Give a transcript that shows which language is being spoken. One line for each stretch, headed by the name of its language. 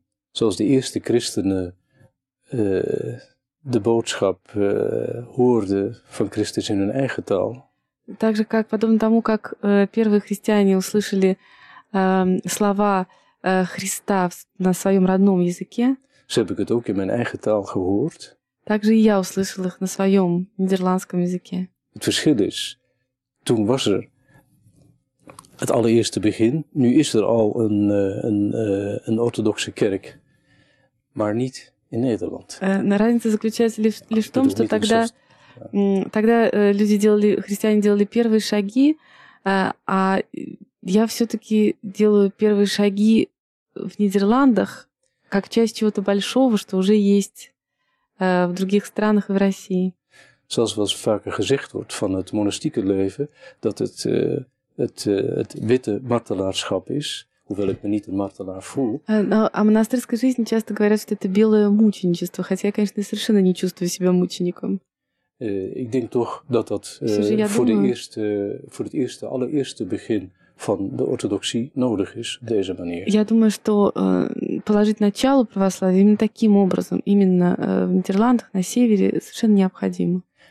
Dutch: Zoals de eerste christenen de boodschap hoorden van Christus in hun eigen taal.
Russian: Так же, как подобно тому, как первые христиане услышали слова Христа на своем родном языке.
Dutch: Zo heb ik het ook in mijn eigen taal gehoord.
Russian: Также и я услышал их на своем нидерландском языке.
Dutch: Het verschil is, toen was er het allereerste begin, nu is er al een orthodoxe kerk, maar niet in Nederland.
Russian: Разница заключается лишь в том, что тогда христиане делали первые шаги, а я все-таки делаю первые шаги в Нидерландах, как часть чего-то большого, что уже есть в других странах и в России.
Dutch: Zoals wel vaker gezegd wordt van het monastieke leven, dat het witte martelaarschap is, Hoewel ik me niet een martelaar voel.
Russian: О монастырской жизни часто говорят, что это белое мученичество, хотя я, конечно, совершенно не чувствую себя мучеником.
Dutch: Ik denk toch dat dat voor het allereerste begin van de orthodoxie nodig is, deze manier.
Russian: Я думаю, что положить начало православию именно таким образом, именно в Нидерландах, на севере, совершенно необходимо.